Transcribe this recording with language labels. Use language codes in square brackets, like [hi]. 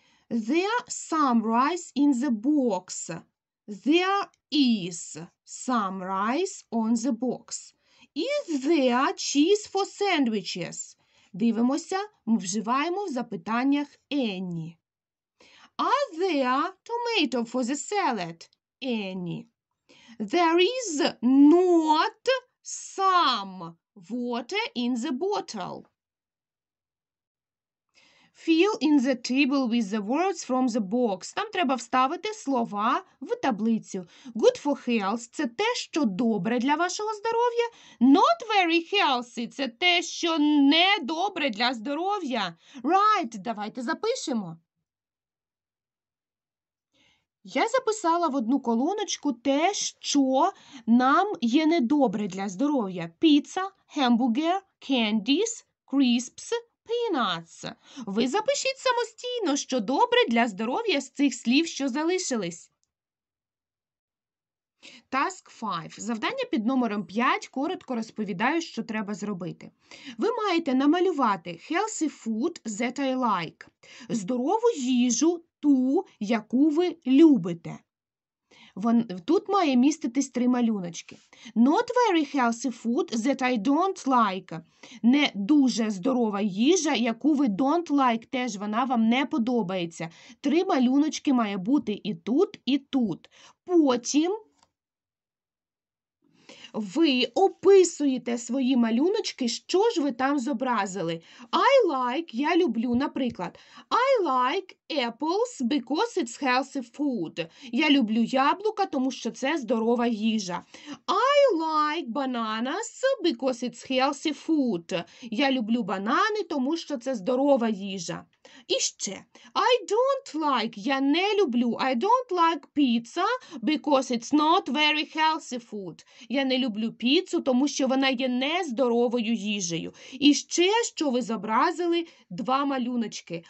[en] There are some rice in the box. There is some rice on the box. Is there cheese for sandwiches? [uk] Дивимося, ми вживаємо в запитаннях any. [en] Are there tomato for the salad? Any. There is not some water in the bottle. Fill in the table with the words from the box. [uk] Там треба вставити слова в таблицю. [en] Good for health [uk] – це те, що добре для вашого здоров'я. [en] Not very healthy [uk] – це те, що не добре для здоров'я. Right, давайте запишемо. Я записала в одну колоночку те, що нам є недобре для здоров'я. Pizza, hamburger, candies, crisps – peanuts. Ви запишіть самостійно, що добре для здоров'я з цих слів, що залишились. [en] Task 5. [uk] Завдання під номером 5. Коротко розповідаю, що треба зробити. Ви маєте намалювати [en] healthy food that I like. [uk] Здорову їжу, ту, яку ви любите. Тут має міститись три малюночки. [en] Not very healthy food that I don't like. [uk] Не дуже здорова їжа, яку ви [en] don't like, [uk] теж вона вам не подобається. Три малюночки має бути і тут, і тут. Потім ви описуєте свої малюночки, що ж ви там зобразили. [en] I like, [uk] я люблю, наприклад, [en] I like apples because it's healthy food. [uk] Я люблю яблука, тому що це здорова їжа. [en] I like bananas because it's healthy food. [uk] Я люблю банани, тому що це здорова їжа. І ще. [en] I don't like, [uk] я не люблю, [en] I don't like pizza because it's not very healthy food. [uk] Я не люблю піцу, тому що вона є нездоровою їжею. І ще, що ви зобразили, два малюночки.